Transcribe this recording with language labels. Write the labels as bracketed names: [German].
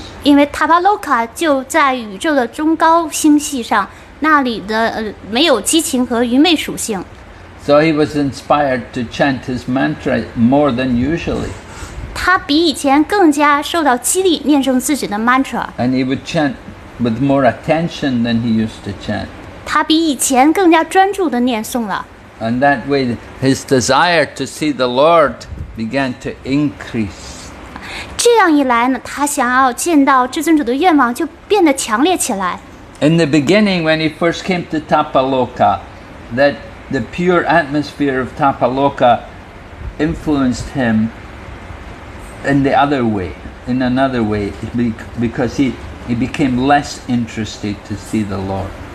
[Chinese] 因为 Tapaloka 就在宇宙的中高星系上，那里的没有激情和愚昧属性。 [English] So he was inspired to chant his mantra more than usually. [Chinese] 他比以前更加受到激励，念诵自己的 mantra. [English] And he would chant with more attention than he used to chant. [Chinese] 他比以前更加专注地念诵了。 [English] And that way, his desire to see the Lord began to increase. [Chinese] 这样一来呢，他想要见到至尊主的愿望就变得强烈起来。 [English] In the beginning, when he first came to Tapaloka, that the pure atmosphere of Tapaloka influenced him in the other way, in another way, because he became less interested to see the Lord.